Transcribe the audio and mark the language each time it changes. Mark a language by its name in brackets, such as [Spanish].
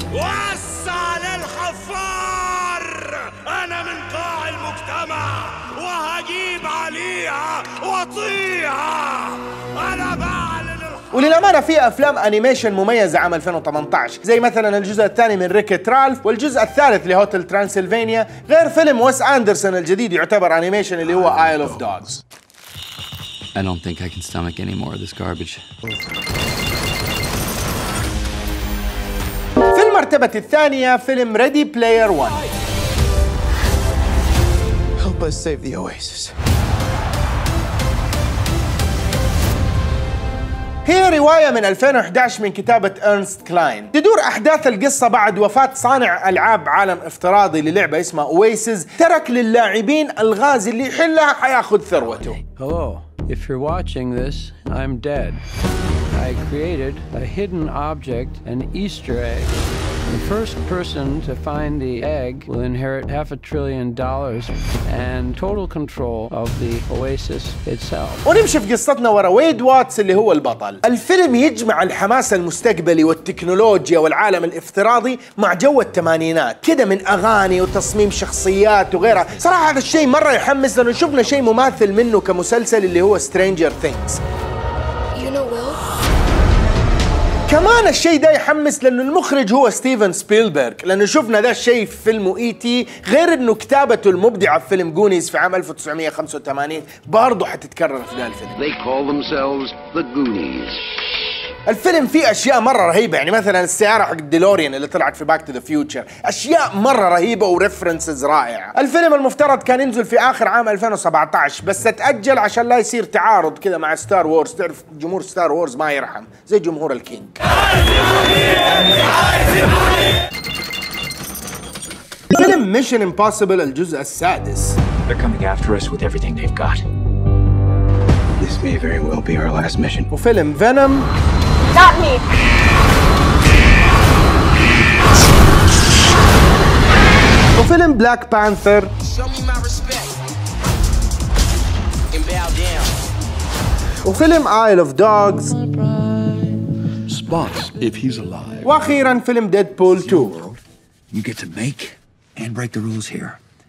[Arabic] وسع للحفار، أنا من قاع المجتمع وهجيب عليها وطيها. أنا بعلن وللأمانة في أفلام أنيميشن مميزة عام 2018 زي مثلاً الجزء الثاني من ريكيت رالف والجزء الثالث لهوتل ترانسيلفانيا، غير فيلم ويس أندرسون الجديد يعتبر أنيميشن اللي هو آيل أوف دوغز. [English] I don't think I can stomach any more of this garbage. [Arabic] في المرتبة الثانية فيلم Ready Player One. [English] Help us save the Oasis. [Arabic] هي رواية من 2011 من كتابة إرنست كلاين. تدور أحداث القصة بعد وفاة صانع ألعاب عالم افتراضي للعبة اسمها Oasis، ترك للاعبين الغاز اللي يحلها حياخذ ثروته. [English] Hello. If you're watching this, I'm dead. I created a hidden object, an Easter egg. The first person to find the egg will inherit half a trillion dollars and total control of the Oasis itself. [Arabic] ونمشي في قصتنا ورا ويد واتس اللي هو البطل. الفيلم يجمع الحماس المستقبلي والتكنولوجيا والعالم الافتراضي مع جو الثمانينات كده، من أغاني وتصميم شخصيات وغيرها. صراحة هذا الشيء مرة يحمس، لأنه شفنا شيء مماثل منه كمسلسل اللي هو Stranger Things. كمان الشيء ده يحمس لأن المخرج هو ستيفن سبيلبرغ، لأنه شفنا ذا الشيء في فيلم إي تي، غير أنه كتابته المبدعة في فيلم جونيز في عام 1985 برضو حتتكرر في ذا الفيلم. [English] They call themselves the Goonies. [Arabic] الفيلم فيه أشياء مرة رهيبة، يعني مثلاً السيارة حق ديلوريان اللي طلعت في Back to the Future، أشياء مرة رهيبة وريفرنسز رائعة. الفيلم المفترض كان ينزل في آخر عام 2017 بس تأجل عشان لا يصير تعارض كذا مع ستار وورز. تعرف جمهور ستار وورز ما يرحم، زي جمهور الكينج. فيلم Mission Impossible الجزء السادس. [English] They're coming after us with everything they've got. This may very well be our last mission. [Arabic] وفيلم Venom. [English] Not me. [Arabic] وفيلم Black Panther. وفيلم Isle of Dogs. [English] Spots if he's alive. [Arabic] وأخيرا فيلم Deadpool 2. [English] You get to make and break the rules here.